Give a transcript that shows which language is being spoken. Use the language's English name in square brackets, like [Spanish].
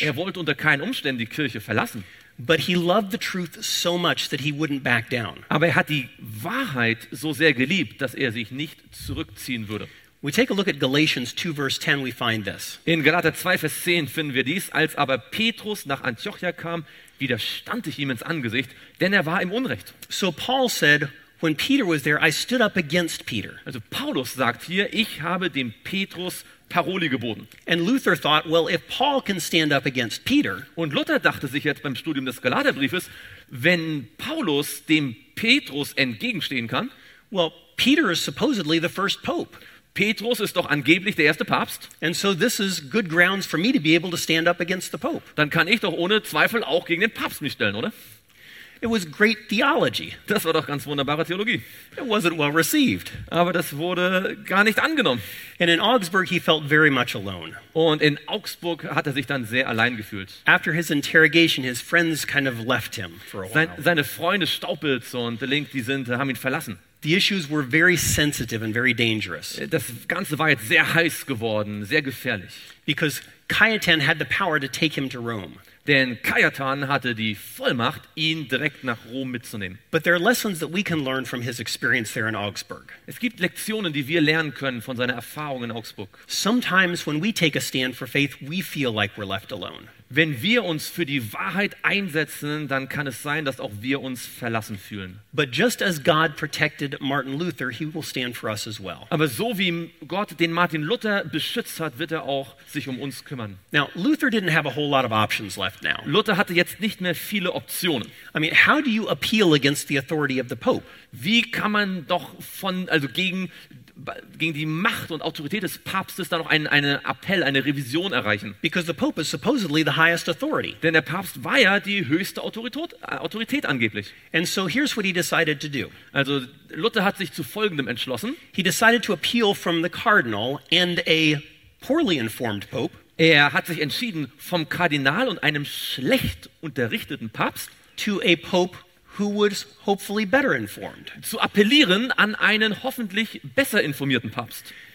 [German] Er wollte unter keinen Umständen die Kirche verlassen. [English] But he loved the truth so much that he wouldn't back down. [German] Aber er hat die Wahrheit so sehr geliebt, dass er sich nicht zurückziehen würde. [English] We take a look at Galatians 2 verse 10, we find this. [German] In Galater 2 Vers 10 finden wir dies, als aber Petrus nach Antiochia kam, widerstand ich ihm ins Angesicht, denn er war im Unrecht. [English] So Paul said, when Peter was there, I stood up against Peter. [German] Also Paulus sagt hier, ich habe dem Petrus Paroli geboten. [English] And Luther thought, well, if Paul can stand up against Peter, [German] und Luther dachte sich jetzt beim Studium des Galaterbriefes, wenn Paulus dem Petrus entgegenstehen kann, [English] well, Peter is supposedly the first pope. [German] Petrus ist doch angeblich der erste Papst. [English] And so this is good grounds for me to be able to stand up against the pope. [German] Dann kann ich doch ohne Zweifel auch gegen den Papst mich stellen, oder? [English] It was great theology. [German] Das war doch ganz wunderbare Theologie. [English] It wasn't well received. [German] Aber das wurde gar nicht angenommen. [English] And in Augsburg he felt very much alone. [German] Und in Augsburg hat er sich dann sehr allein gefühlt. [English] After his interrogation, his friends kind of left him for a while. [German] Seine Freunde Staupitz und De Link, die sind, haben ihn verlassen. [English] The issues were very sensitive and very dangerous. [German] Das Ganze war jetzt sehr heiß geworden, sehr gefährlich. [English] Because Cajetan had the power to take him to Rome. [German] Denn Cajetan hatte die Vollmacht, ihn direkt nach Rom mitzunehmen. [English] But there are lessons that we can learn from his experience there in Augsburg. [German] Es gibt Lektionen, die wir lernen können von seiner Erfahrung in Augsburg. [English] Sometimes when we take a stand for faith, we feel like we're left alone. [German] Wenn wir uns für die Wahrheit einsetzen, dann kann es sein, dass auch wir uns verlassen fühlen. [English] But just as God protected Martin Luther, he will stand for us as well. [German] Aber so wie Gott den Martin Luther beschützt hat, wird er auch sich um uns kümmern. [English] Now, Luther didn't have a whole lot of options left now. [German] Luther hatte jetzt nicht mehr viele Optionen. [English] I mean, how do you appeal against the authority of the Pope? [German] Wie kann man doch von also gegen die Macht und Autorität des Papstes da noch einen Appell, eine Revision erreichen? [English] Because the Pope is supposedly the highest authority. [German] Denn der Papst war ja die höchste Autorität angeblich. [English] And so here's what he decided to do. [German] Also Luther hat sich zu Folgendem entschlossen. [English] He decided to appeal from the cardinal and a poorly informed pope. [German] Er hat sich entschieden, vom Kardinal und einem schlecht unterrichteten Papst [English] to a pope who was hopefully better informed. [German] Zu appellieren an einen hoffentlich besser informierten Papst.